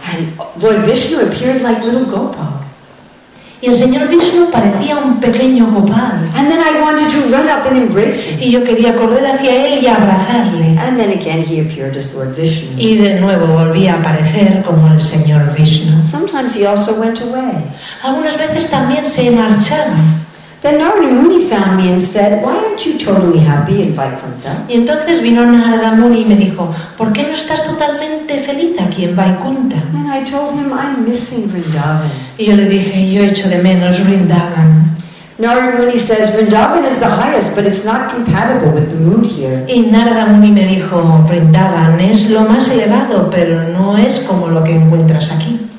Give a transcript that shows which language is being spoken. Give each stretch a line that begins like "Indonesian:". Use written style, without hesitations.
English: And Lord Vishnu appeared like little Gopal.
Spanish: Y el señor Vishnu parecía un pequeño Gopal.
English: And then I wanted to run up and embrace him.
Spanish: Y yo quería correr hacia él y abrazarle.
English: And then again he appeared as Lord Vishnu.
Spanish: Y de nuevo volvía a aparecer como el señor Vishnu.
English: Sometimes he also went away.
Spanish: Algunas veces también se marchaba.
English: Then Narada Muni found me and said, "Why aren't you totally happy in Vaikuntha?"
Spanish: Y entonces vino Narada Muni y me dijo, "¿Por qué no estás totalmente feliz aquí en Vaikuntha?"
English: And I told him, "I'm missing Vrindavan."
Spanish: Y yo le dije, "Yo echo de menos Vrindavan."
English: Narada Muni says, "Vrindavan is the highest, but it's not compatible with the mood here."
Spanish: Y Narada Muni me dijo, "Vrindavan es lo más elevado, pero no es como lo que encuentras aquí."